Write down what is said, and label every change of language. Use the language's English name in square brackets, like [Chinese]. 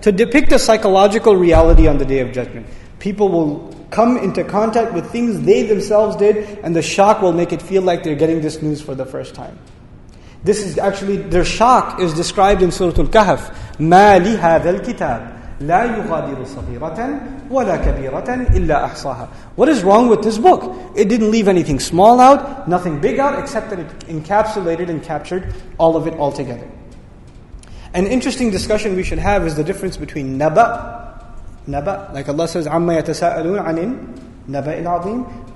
[English] To depict a psychological reality on the Day of Judgment. People will come into contact with things they themselves did, and the shock will make it feel like they're getting this news for the first time. This is actually, their shock is described in Surah Al-Kahf. [Arabic] مَا لِهَذَا الْكِتَابِ. لا يغادر صغيرة ولا كبيرة إلا أحصاها. [English] What is wrong with this book? It didn't leave anything small out, nothing big out, except that it encapsulated and captured all of it altogether. An interesting discussion we should have is the difference between naba, like Allah says, [Arabic] عَمَّ يَتَسَاءَلُونَ عَنِ النَّبَأِ الْعَظِيمِ.